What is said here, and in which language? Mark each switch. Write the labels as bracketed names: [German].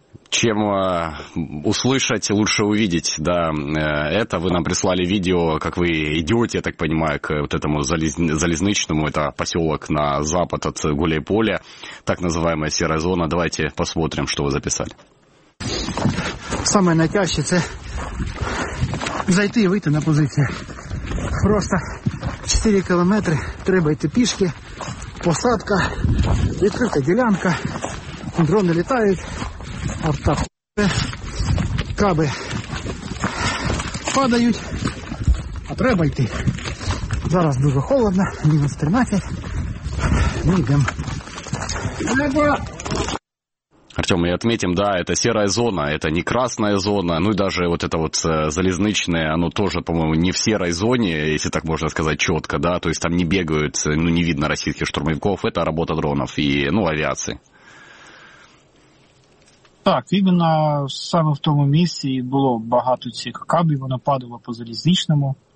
[Russian] Чем услышать, лучше увидеть, да, это вы нам прислали видео, как вы идете, я так понимаю, к вот этому Залезничному, это поселок на запад от Гуляйполя, так называемая серая зона. Давайте посмотрим, что вы записали. Самое натяжче, это зайти и выйти на позицию. Просто 4 километра, треба идти пішки. [Ukrainian] Посадка, відкрита ділянка, дрони літають, автохопи, каби падають, а треба йти. Зараз дуже холодно, мінус 13, ми йдемо. [Russian] Артем, и отметим, да, это серая зона, это не красная зона, ну и даже вот это вот Залезничное, оно тоже, по-моему, не в серой зоне, если так можно сказать четко, да, то есть там не бегают, ну не видно российских штурмовиков, это работа дронов и, ну, авиации. [Ukrainian] Так, именно саме в тому місці було багато цих кабів, воно падало по Залезничному.